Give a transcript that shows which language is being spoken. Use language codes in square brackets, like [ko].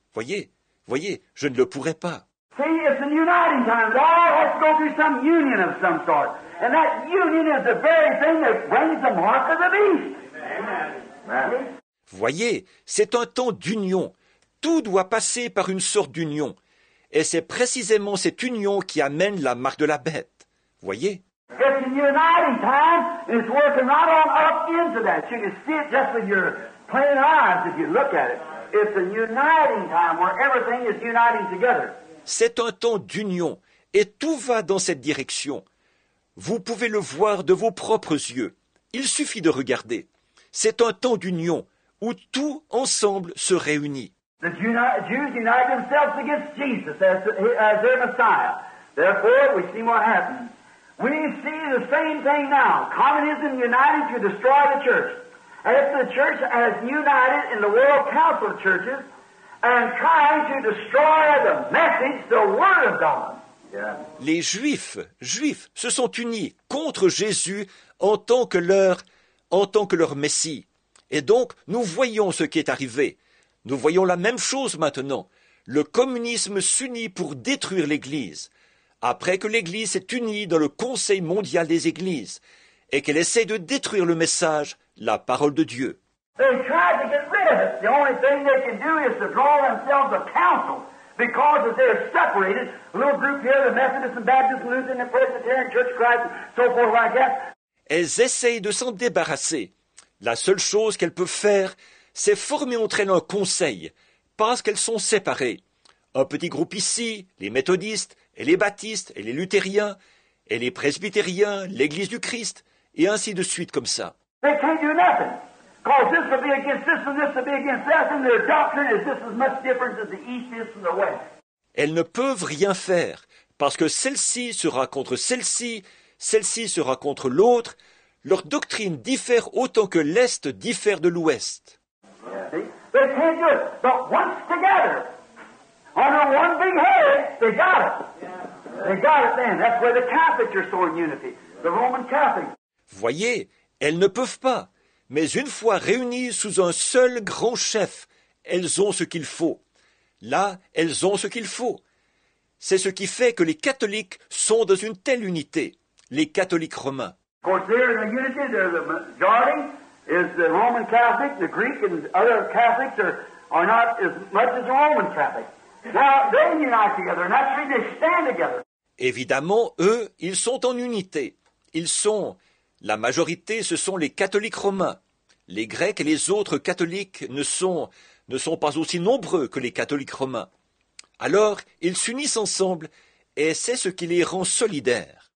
[fr] Voyez, je ne le pourrais pas. [en] See, it's an uniting time. It all has to go through some union of some sort. And that union is the very thing that brings the mark of the beast. Amen. [fr] Voyez, c'est un temps d'union. Tout doit passer par une sorte d'union. Et c'est précisément cette union qui amène la marque de la bête. Voyez. [en] It's an uniting time. It's working right on up into that. You can see it just with your plain eyes if you look at it. It's a uniting time where everything is uniting together. [fr] C'est un temps d'union et tout va dans cette direction. Vous pouvez le voir de vos propres yeux. Il suffit de regarder. C'est un temps d'union où tout ensemble se réunit. [en] The Jews unite themselves against Jesus as their Messiah. Therefore, we see what happened. We see the same thing now. Communism united to destroy the church. If the church has united in the World Council of Churches and trying to destroy the message, the Word of God. Yeah. [fr] Les Juifs se sont unis contre Jésus en tant que leur Messie. Et donc, nous voyons ce qui est arrivé. Nous voyons la même chose maintenant. Le communisme s'unit pour détruire l'Église. Après que l'Église s'est unie dans le Conseil mondial des Églises et qu'elle essaie de détruire le message, la parole de Dieu. [en] They tried to get rid of it. The only thing they can do is to draw themselves a council because if they're separated, a little group here, the Methodists and Baptists and Lutheran and Presbyterian Church of Christ and so forth like that. [fr] Elles essayent de s'en débarrasser. La seule chose qu'elles peuvent faire, c'est former entre elles un conseil parce qu'elles sont séparées. Un petit groupe ici, les méthodistes et les baptistes et les luthériens et les presbytériens, l'Église du Christ et ainsi de suite comme ça. [en] They can't do nothing. Because this will be against this will be against that, and their doctrine is just as much different as the East is from the West. [fr] Elles ne peuvent rien faire, parce que celle-ci sera contre celle-ci sera contre l'autre. Leur doctrine diffère autant que l'Est diffère de l'Ouest. [en] They can't do it. But once together, under one big head, they got it. Yeah. They got it then. That's where the Catholics are so in unity. The Roman Catholics. [fr] Voyez, elles ne peuvent pas. Mais une fois réunies sous un seul grand chef, elles ont ce qu'il faut. Là, elles ont ce qu'il faut. C'est ce qui fait que les catholiques sont dans une telle unité, les catholiques romains. [en] Of course, they're in a unity. They're the majority is the Roman Catholic. The Greek and other Catholics are not as much as the Roman Catholic. Now, they unite together. Naturally, they stand together. [fr] Évidemment, eux, ils sont en unité. Ils sont... La majorité, ce sont les catholiques romains. Les Grecs et les autres catholiques ne sont pas aussi nombreux que les catholiques romains. Alors, ils s'unissent ensemble et c'est ce qui les rend solidaires.